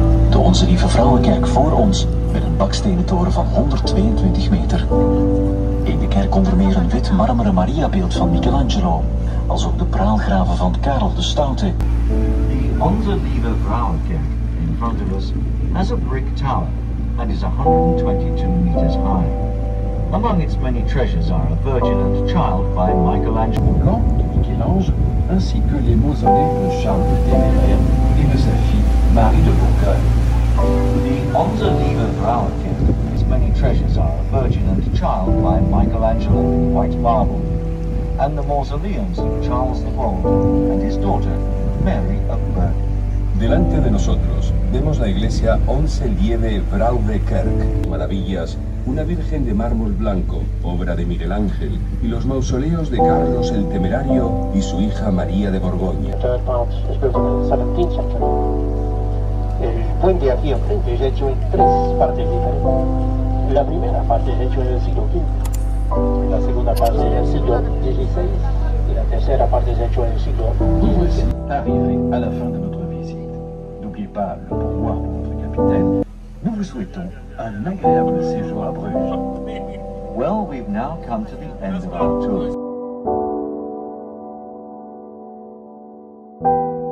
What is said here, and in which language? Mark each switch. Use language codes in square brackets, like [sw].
[nl] De Onze Lieve Vrouwenkerk voor ons met een bakstenen toren van 122 meter. In de kerk onder meer een wit marmeren Mariabeeld van Michelangelo. Als ook de praalgraven van Karel de Stoute. [en] The Onze Lieve Vrouwenkerk in front of us has a brick tower that is 122 meters high. Among its many treasures are a Virgin and Child by Michelangelo, [fr] Blanc de Michel-Ange, ainsi que les mausolées de Charles de Téméraire et de sa fille Marie de Bourgoensch. [en] The Onze Lieve Vrouwenkerk has many treasures are a Virgin and Child by Michelangelo, white marble. And the mausoleums of Charles the Bold and his daughter, Mary of Bourbon. [es] Delante de nosotros vemos la iglesia Onze Lieve Vrouwenkerk, maravillas, una virgen de mármol blanco, obra de Miguel Ángel, y los mausoleos de Carlos el Temerario y su hija María de Borgoña. [en] The third part is built in the 17th century. [es] El puente aquí enfrente es hecho en tres partes diferentes. La primera parte es hecho en el siglo XV, la segunda parte en el siglo XVI, y la tercera parte es hecho en el siglo XVII. [fr] Arrivé à la fin de notre visite. N'oubliez pas le pourboire de votre capitaine. Nous vous souhaitons un agréable séjour à Bruges. [en] Well, we've now come to the end of our tour.